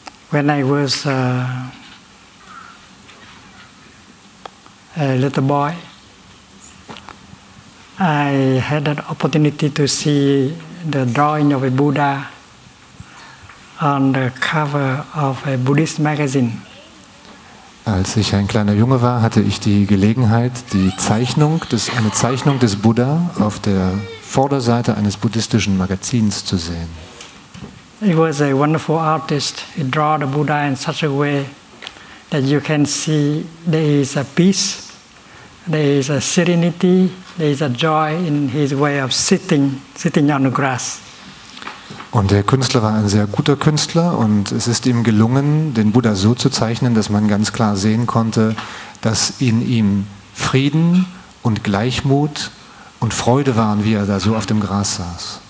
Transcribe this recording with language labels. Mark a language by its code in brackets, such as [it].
[en] When I was a little boy, I had an opportunity to see the drawing of a Buddha on the cover of a Buddhist magazine. [de] Als ich ein kleiner Junge war, hatte ich die Gelegenheit, eine Zeichnung des Buddha auf der Vorderseite eines buddhistischen Magazins zu sehen. [en] He was a wonderful artist. He drew the Buddha in such a way that you can see there is a peace, there is a serenity, there is a joy in his way of sitting on the grass. [de] Und der Künstler war ein sehr guter Künstler, und es ist ihm gelungen, den Buddha so zu zeichnen, dass man ganz klar sehen konnte, dass in ihm Frieden und Gleichmut und Freude waren, wie er da so auf dem Gras saß.